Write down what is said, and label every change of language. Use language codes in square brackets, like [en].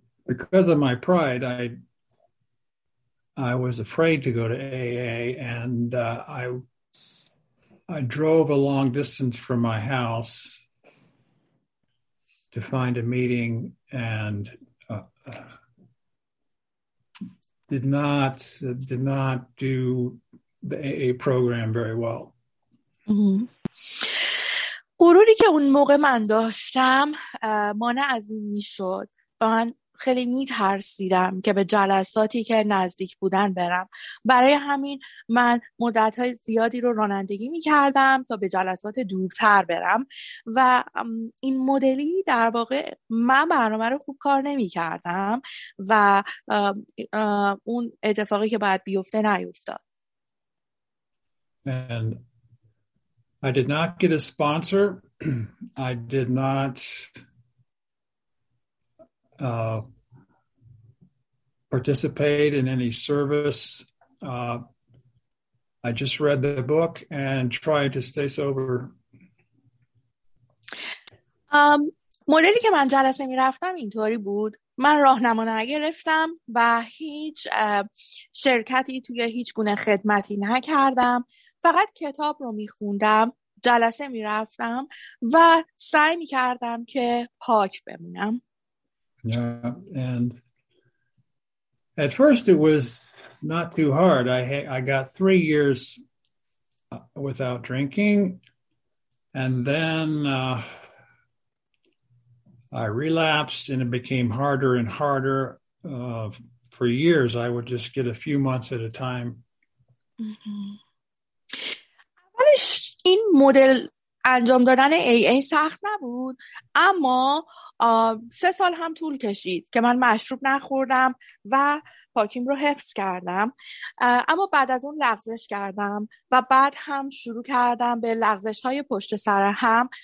[en] Because of my pride, I was afraid to go to AA, and I drove a long distance from my house to find a meeting, and did not do the AA program very well. Mm-hmm. [fa] غروری که اون موقع من داشتم مانع از این میشد. خیلی میترسیدم که به جلساتی که نزدیک بودن برم. برای همین من مدت‌های زیادی رو رانندگی می‌کردم تا به جلسات دورتر برم و این مدلی در واقع من برنامه رو خوب کار نمی‌کردم و اون اتفاقی که باید بیفته نیفتاد. [en] And I did not get a sponsor. I did not participate in any service. I just read the book and tried to stay sober. [fa] مدلی که من جلسه می رفتم اینطوری بود. من راهنما نگرفتم و هیچ شرکتی توی هیچ گونه خدمتی نکردم. فقط کتاب رو می خوندم، جلسه می رفتم و سعی می کردم که پاک بمونم. [en] Yeah, and at first it was not too hard. I got 3 years without drinking, and then I relapsed, and it became harder and harder. for years, I would just get a few months at a time. [fa] اولش این مدل انجام دادن AA سخت نبود، اما سه سال هم طول کشید که من مشروب نخوردم و پاکیم رو حفظ کردم، اما بعد از اون لغزش کردم و بعد هم شروع کردم به لغزش های پشت سر هم.